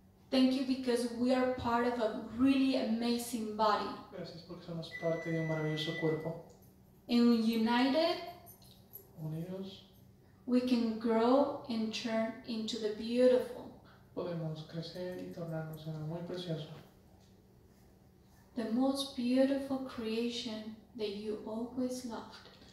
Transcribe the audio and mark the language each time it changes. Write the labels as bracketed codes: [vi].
[en] Thank you because we are part of a really amazing body. [es] Gracias porque somos parte de un maravilloso cuerpo. [en] And united, [es] unidos, [en] we can grow and turn into the beautiful. [es] Podemos crecer y tornarnos en muy precioso. [en] The most beautiful creation that you always loved.